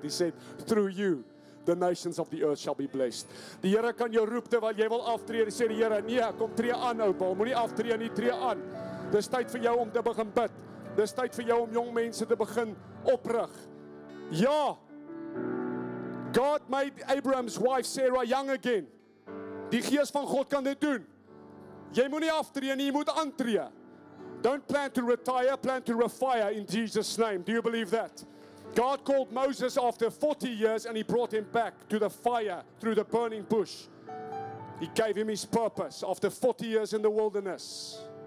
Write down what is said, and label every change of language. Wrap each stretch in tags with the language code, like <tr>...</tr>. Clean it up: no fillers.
<en>He said, through you, the nations of the earth shall be blessed.</en> <af>Die Here kan jou roep terwyl jy wil aftree. Hy sê die Here, nee, kom tree aan, ou bal. Moenie aftree nie, tree aan. Dis tyd vir jou om te begin bid. Dis tyd vir jou om jong mense te begin oprig. Ja.</af> <en>God made Abraham's wife Sarah young again.</en> <af>Die Gees van God kan dit doen. Jy moet nie aftree nie, jy moet aantree.</af> <en>Don't plan to retire, plan to refire in Jesus' name. Do you believe that? God called Moses after 40 years and he brought him back to the fire through the burning bush. He gave him his purpose after 40 years in the wilderness.</en>